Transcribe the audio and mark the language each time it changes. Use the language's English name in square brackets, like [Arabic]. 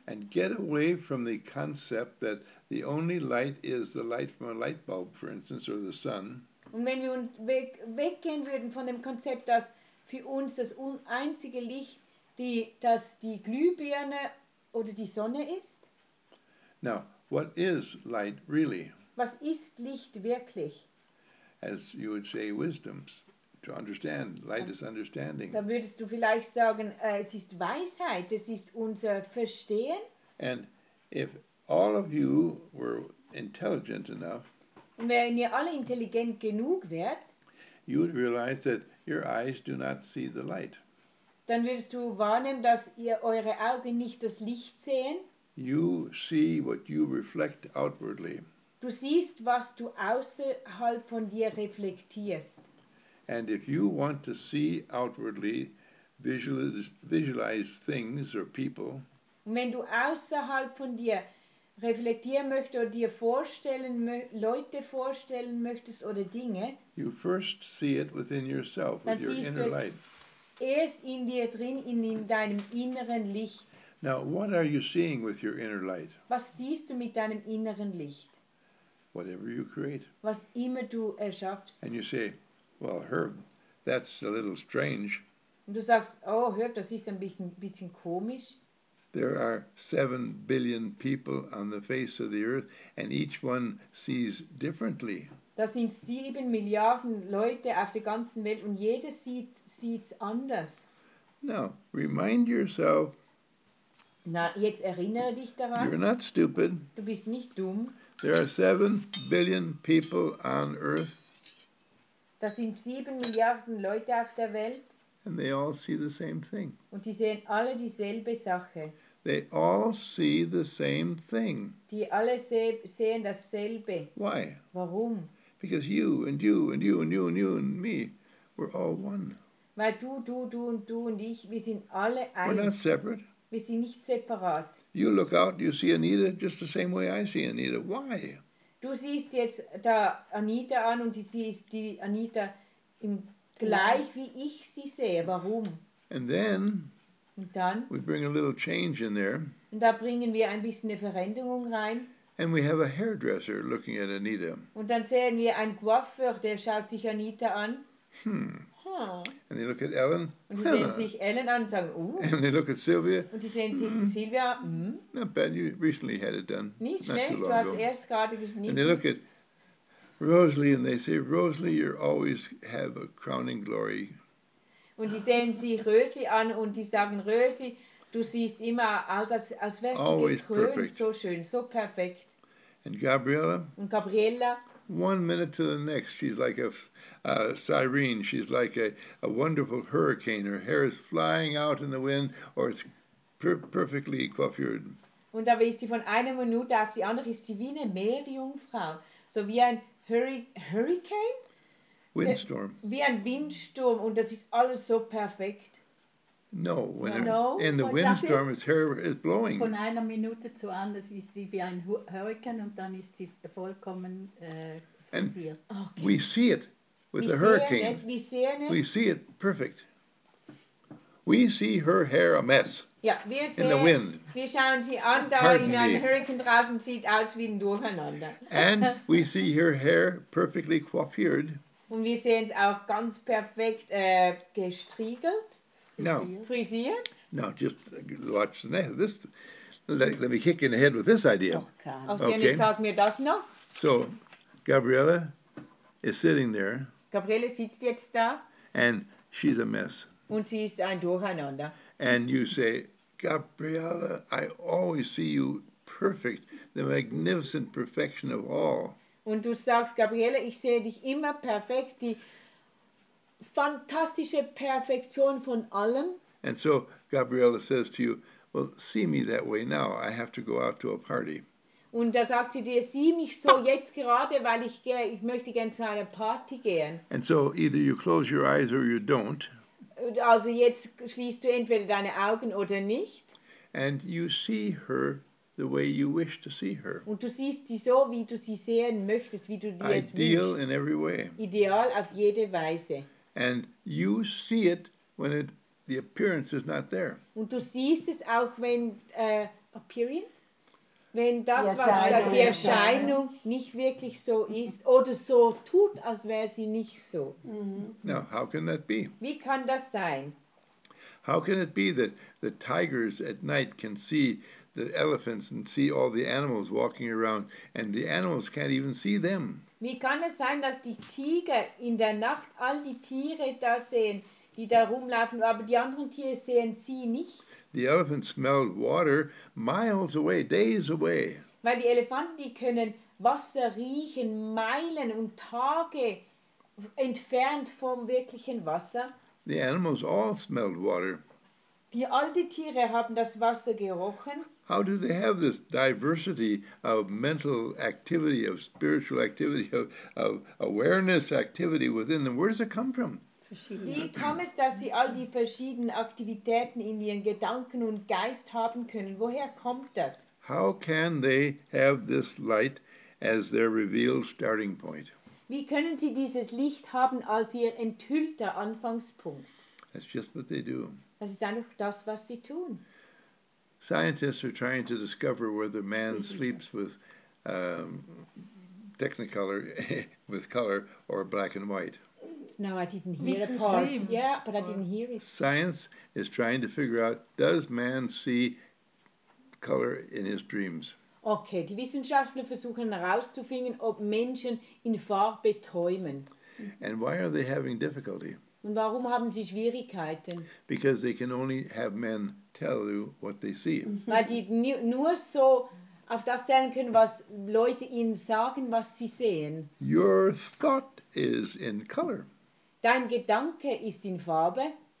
[English] And get away from the concept that the only light is the light from a light bulb, for instance, or the sun. [German] Und wenn wir weggehen würden von dem Konzept, dass für uns das einzige Licht die Glühbirne oder die Sonne ist. [English] Now, what is light really? [German] Was ist Licht wirklich? [English] As you would say, wisdom. To understand, light is understanding. [German] Da würdest du vielleicht sagen, es ist Weisheit, es ist unser Verstehen. [English] And if all of you were intelligent enough, [German] und wenn ihr alle intelligent genug wärt, [English] you would realize that your eyes do not see the light. [German] Dann würdest du wahrnehmen, dass ihr eure Augen nicht das Licht sehen. [English] You see what you reflect outwardly. [German] Du siehst, was du außerhalb von dir reflektierst. [English] And if you want to see outwardly, visualize things or people, [German] und wenn du außerhalb von dir reflektieren möchtest oder dir vorstellen, Leute vorstellen möchtest oder Dinge, [English] you first see it within yourself, with your inner light. [German] Dann siehst du es erst in dir drin, in deinem inneren Licht. [English] Now, what are you seeing with your inner light? [German] Was siehst du mit deinem inneren Licht? [English] Whatever you create. [German] Was immer du erschaffst. [English] And you say, well, Herb, that's a little strange. [German] Und du sagst, oh, Herb, das ist ein bisschen komisch. [English] There are 7 billion people on the face of the earth, and each one sees differently. [German] Da sind 7 Milliarden Leute auf der ganzen Welt, und jeder sieht's anders. [English] Now, remind yourself. [German] Na, jetzt erinnere dich daran. [English] You're not stupid. [German] Du bist nicht dumm. [English] There are 7 billion people on earth. [German] Das sind 7 Milliarden Leute auf der Welt. [English] And they all see the same thing. [German] Und die sehen alle dieselbe Sache. [English] They all see the same thing. [German] Die alle sehen dasselbe. [English] Why? [German] Warum? [English] Because you and you and you and you and you and me, we're all one. [German] Weil du und ich, wir sind alle eins. [English] We're not separate. [German] Wir sind nicht separat. [English] You look out, you see Anita just the same way I see Anita. Why? [German] Du siehst jetzt da Anita an und sie ist die Anita im gleich wie ich sie sehe. Warum? [English] And then [German] und dann [English] we bring a little change in there. [German] Und da bringen wir ein bisschen eine Veränderung rein. [English] And we have a hairdresser looking at Anita. [German] Und dann sehen wir einen Coiffeur, der schaut sich Anita an. [English] And they look at Ellen. [German] Und sie sehen sich Ellen an und sagen, [English] And they look at Sylvia. [German] Und sie sehen sich Sylvia. [English] Not bad, you recently had it done. [German] Nicht schlecht, du hast erst gerade geschnitten. [English] And they look at Rosalie and they say, Rosalie, you always have a crowning glory. [German] Und sie sehen sich Rosalie an und die sagen, Rosalie, du siehst immer aus, als wärst du gekrönt, so schön, so perfekt. [English] And Gabriella. [German] Und Gabriella. [English] One minute to the next, she's like a siren. She's like a wonderful hurricane. Her hair is flying out in the wind, or it's perfectly coiffured. [German] Und da ist sie von einer Minute auf die andere ist sie wie eine Meerjungfrau, so wie ein Hurricane. [English] Windstorm. [German] Wie ein Windsturm, und das ist alles so perfekt. [English] No, when no, it, in the windstorm, his hair is blowing. [German] Von einer Minute zu anders ist sie wie ein Hurrikan und dann ist sie vollkommen [English] and okay. We see it with the hurricane. [German] Es, wir sehen es. [English] We see it perfect. We see her hair a mess. [German] Ja, wir sehen, [English] in the wind. [German] Wir schauen sie an, da in einem Hurrikan draußen sieht aus wie ein Durcheinander. [English] And we see her hair perfectly coiffured. [German] Und wir sehen es auch ganz perfekt gestriegelt. [English] Now, [German] frisier? [English] No, just watch the next. This, let me kick in the head with this idea. Okay. So, Gabriella is sitting there. [German] Gabriella sitzt jetzt da. [English] And she's a mess. [German] Und sie ist ein Durcheinander. [English] And you say, Gabriella, I always see you perfect, the magnificent perfection of all. [German] Und du sagst, Gabriella, ich sehe dich immer perfekt, die fantastische Perfektion von allem. [English] And so Gabriella says to you, well, see me that way now. I have to go out to a party. [German] Und da sagt sie dir, sieh mich so jetzt gerade, weil ich möchte gerne zu einer Party gehen. [English] And so either you close your eyes or you don't. [German] Also jetzt schließt du entweder deine Augen oder nicht. [English] And you see her the way you wish to see her. [German] Und du siehst sie so, wie du sie sehen möchtest, wie du dir [English] ideal [German] es wünschst. [English] In every way. [German] Ideal auf jede Weise. [English] And you see it when the appearance is not there. [German] Und du siehst es auch wenn appearance, wenn das yes, was da die Erscheinung nicht wirklich so ist oder so tut, als wäre sie nicht so. Mm-hmm. [English] Now, how can that be? [German] Wie kann das sein? [English] How can it be that the tigers at night can see the elephants and see all the animals walking around, and the animals can't even see them. [German] Wie kann es sein, dass die Tiger in der Nacht all die Tiere da sehen, die da rumlaufen, aber die anderen Tiere sehen sie nicht? [English] The elephants smell water miles away, days away. [German] Weil die Elefanten, die können Wasser riechen, Meilen und Tage entfernt vom wirklichen Wasser. [English] The animals all smelled water. [German] Die alten Tiere haben das Wasser gerochen. [English] How do they have this diversity of mental activity, of spiritual activity, of awareness activity within them? Where does it come from? [German] Wie kam es, dass sie all die verschiedenen Aktivitäten in ihren Gedanken und Geist haben können? Woher kommt das? [English] How can they have this light as their revealed starting point? [German] Wie können sie dieses Licht haben als ihr enthüllter Anfangspunkt? [English] That's just what they do. [German] Das ist einfach das, was sie tun. [English] Scientists are trying to discover whether man sleeps with technicolor, with color, or black and white. No, I didn't hear the part. Yeah, but I didn't hear it. Science is trying to figure out, does man see color in his dreams? [German] Okay, die Wissenschaftler versuchen herauszufinden, ob Menschen in Farbe träumen. [English] And why are they having difficulty? [German] Und warum haben sie Schwierigkeiten? [English] Because they can only have men tell you what they see. [German] Weil die nur so auf das zählen können, was Leute ihnen sagen, was sie sehen. [English] Your thought is in color. [German] Dein Gedanke ist in Farbe.